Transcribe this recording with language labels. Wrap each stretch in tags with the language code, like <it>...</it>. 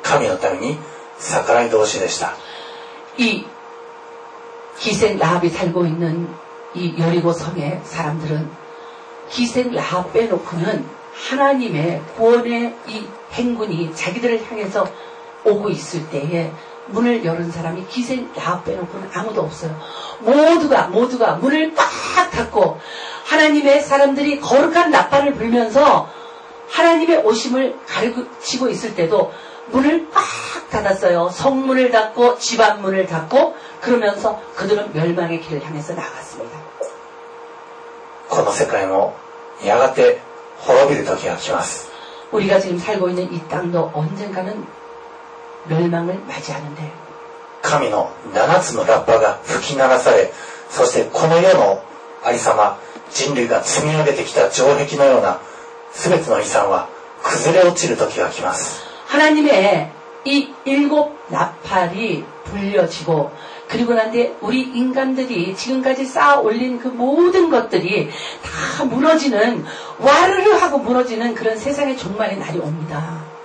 <ja>このラハブの時代、ヨシアの軍団が、すなわちイエシュアの軍団、イエスの軍団が間近に迫って警告のラッパが鳴らされていても、このエリコの人たちはあくまで固くなりなり、自分が築き上げてきた先祖代々頼ってきた城壁に頼って、それでなお神のために逆らい同士でした。</ja> <ko>기생 라합이 살고 있는 이 여리고 성의 사람들은 기생 라합 빼놓고는 하나님의 구원의 이 행군이 자기들을 향해서 오고 있을 때에 문을 열은 사람이 기생 라합 빼놓고는 아무도 없어요. 모두가 문을 꽉 닫고 하나님의 사람들이 거룩한 나팔을 불면서 하나님의 오심을 가르치고 있을 때도 문을 꽉 닫았어요. 성문을 닫고 집안문을 닫고 그러면서 그들은 멸망의 길을 향해서 나갔습니다.</ko> <ja>この世界もやがて滅びる時が来ます。</ja> <ko>우리가 지금 살고 있는 이 땅도 언젠가는 멸망을 맞이하는데</ko> <ja>神の七つのラッパが吹き鳴らされ、そしてこの世のありさま、人類が積み上げてきた城壁のような全ての遺産は崩れ落ちる時が来ます。</ja> <ko>하나님의이일곱나팔이불려지고그리고난뒤우리인간들이지금까지쌓아올린그모든것들이다무너지는와르르하고무너지는그런세상의종말의날이옵니다</ko>